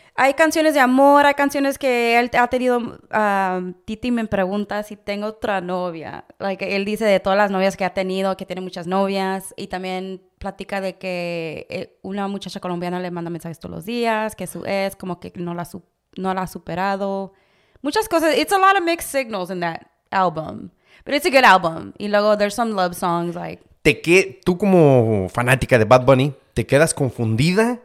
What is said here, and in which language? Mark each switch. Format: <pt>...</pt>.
<es>Hay canciones de amor, hay canciones que él ha tenido... Titi me pregunta si tengo otra novia. Like, él dice de todas las novias que ha tenido, que tiene muchas novias. Y también platica de que una muchacha colombiana le manda mensajes todos los días, que su ex como que no la ha superado. Muchas cosas.</es> <en>It's a lot of mixed signals in that album. But it's a good album.</en> <es>Y luego</es> <en>there's some love songs. Like.</en> <es>¿Tú como fanática de Bad Bunny, te quedas confundida?</es>